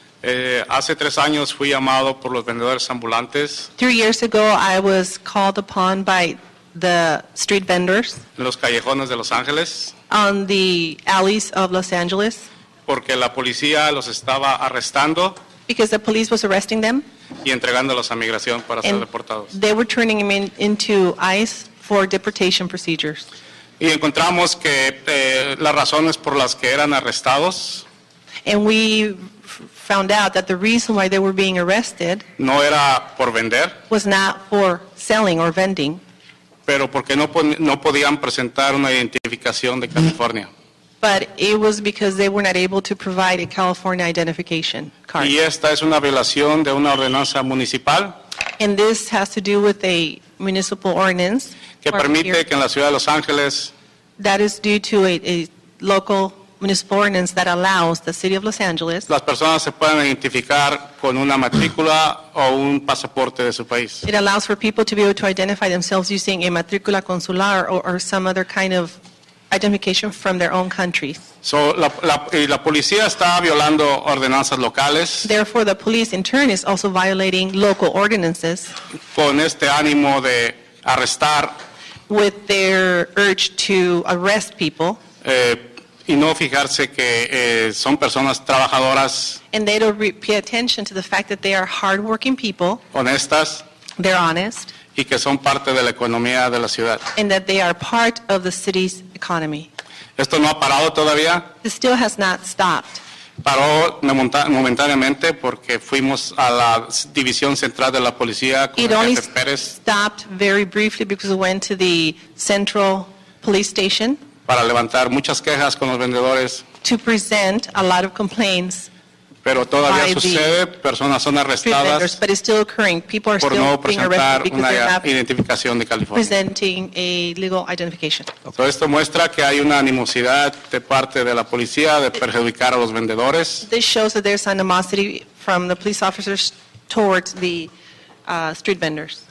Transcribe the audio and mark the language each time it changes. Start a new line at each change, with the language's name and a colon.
Spanish: Hace tres años fui llamado por los vendedores ambulantes.
English: 3 years ago, I was called upon by the street vendors.
Spanish: En los callejones de Los Ángeles.
English: On the alleys of Los Angeles.
Spanish: Porque la policía los estaba arrestando.
English: Because the police was arresting them.
Spanish: Y entregándolos a migración para ser deportados.
English: They were turning them into ICE for deportation procedures.
Spanish: Y encontramos que las razones por las que eran arrestados.
English: And we found out that the reason why they were being arrested.
Spanish: No era por vender.
English: Was not for selling or vending.
Spanish: Pero porque no podían presentar una identificación de California.
English: But it was because they were not able to provide a California identification card.
Spanish: Y esta es una violación de una ordenanza municipal.
English: And this has to do with a municipal ordinance.
Spanish: Que permite que en la ciudad de Los Ángeles.
English: That is due to a local municipal ordinance that allows the city of Los Angeles.
Spanish: Las personas se pueden identificar con una matrícula o un pasaporte de su país.
English: It allows for people to be able to identify themselves using a matrícula consular or some other kind of identification from their own countries.
Spanish: So la policía está violando ordenanzas locales.
English: Therefore, the police in turn is also violating local ordinances.
Spanish: Con este ánimo de arrestar.
English: With their urge to arrest people.
Spanish: Y no fijarse que son personas trabajadoras.
English: And they don't pay attention to the fact that they are hardworking people.
Spanish: Honestas.
English: They're honest.
Spanish: Y que son parte de la economía de la ciudad.
English: And that they are part of the city's economy.
Spanish: Esto no ha parado todavía.
English: This still has not stopped.
Spanish: Paró momentáneamente porque fuimos a la división central de la policía con el jefe Pérez.
English: It only stopped very briefly because we went to the central police station.
Spanish: Para levantar muchas quejas con los vendedores.
English: To present a lot of complaints.
Spanish: Pero todavía sucede, personas son arrestadas
English: but it's still occurring. People are
Spanish: por
English: still
Spanish: no presentar una identificación de California.
English: Presenting a legal identification. Okay.
Spanish: So esto muestra que hay una animosidad de parte de la policía de perjudicar a los vendedores.
English: This shows that there's animosity from the police officers towards the street vendors.